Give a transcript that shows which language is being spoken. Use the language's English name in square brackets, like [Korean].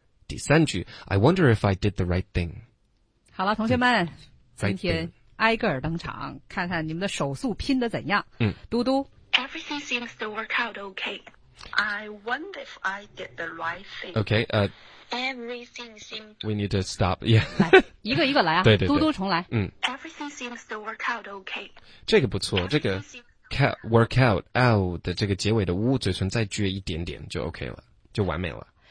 [Chinese] 第三句 [English] I wonder if I did the right thing. [Chinese] 好了同学们今天挨个儿登场看看你们的手速拼得怎样。嗯嘟嘟 [English] Everything seems to work out okay. I wonder if I did the right thing. Okay, Everything seems to... We need to stop, yeah. [Chinese] 来一个一个来啊对对对嘟嘟重来、嗯、 [English] Everything seems to work out okay. [Chinese] 这个不错这个 work out, out 的这个结尾的呜嘴唇再撅一点点就 OK 了就完美了